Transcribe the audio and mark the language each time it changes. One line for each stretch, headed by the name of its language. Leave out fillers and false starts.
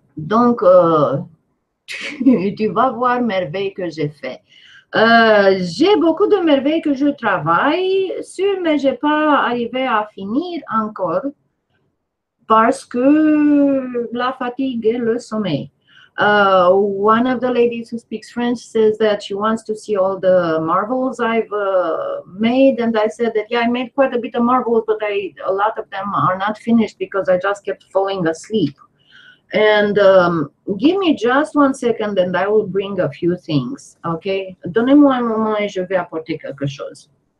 French: Donc, tu vas voir merveille que j'ai fait. J'ai beaucoup de merveilles que je travaille sur, mais j'ai pas arrivé à finir encore parce que la fatigue et le sommeil.
English: One of the ladies who speaks French says that she wants to see all the marvels I've made, and I said that, yeah, I made quite a bit of marvels, but a lot of them are not finished because I just kept falling asleep. And give me just one second and I will bring a few things, okay?
French: Donnez-moi un moment et je vais apporter quelque chose.